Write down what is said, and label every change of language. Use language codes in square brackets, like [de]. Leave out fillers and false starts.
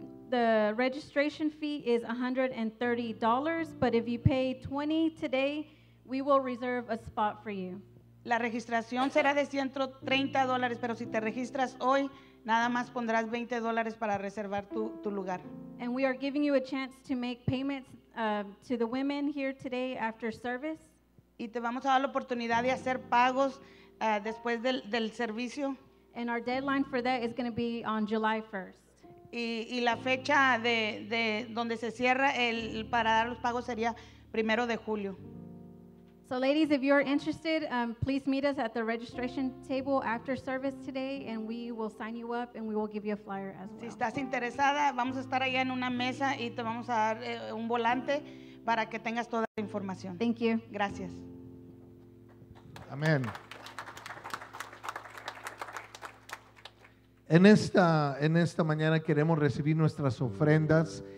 [en] The registration fee is $130, but if you pay $20 today, we will reserve a spot for you. [es] La registración será de $130, pero si te registras hoy, nada más pondrás $20 para reservar tu lugar. [en] And we are giving you a chance to make payments to the women here today after service. [es] Y te vamos a dar la oportunidad de hacer pagos después del servicio. [en] And our deadline for that is going to be on July 1st. [es] Y la fecha de donde se cierra el para dar los pagos sería primero de julio. [en] So ladies, if you're interested, please meet us at the registration table after service today, and we will sign you up, and we will give you a flyer as well. [es] Si estás interesada, vamos a estar allá en una mesa y te vamos a dar un volante para que tengas toda la información. [en] Thank you. [es] Gracias. Amén. En esta mañana queremos recibir nuestras ofrendas.